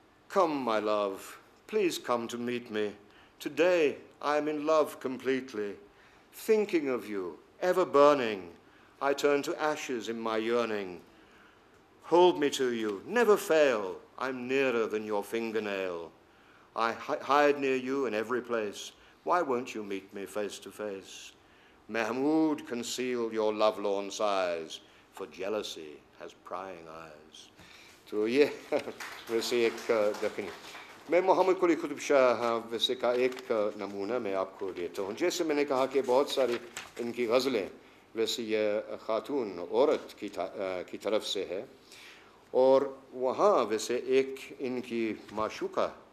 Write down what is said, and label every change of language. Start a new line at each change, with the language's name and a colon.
English: Come my love please come to meet me today I am in love completely thinking of you ever burning I turn to ashes in my yearning Hold me to you, never fail. I'm nearer than your fingernail. I hide near you in every place. Why won't you meet me face to face? Mahmood, conceal your lovelorn sighs, for jealousy has prying eyes. So, yeah,
Urdu: ویسے ایک دکنی میں محمد قلی قطب شاہ ویسے کا ایک نمونہ میں آپ کو دیتا ہوں جیسے میں نے کہا کہ بہت ساری ان کی غزلیں ویسے یہ خاتون عورت کی طرف سے ہے اور وہاں ویسے ایک ان کی معشوقہ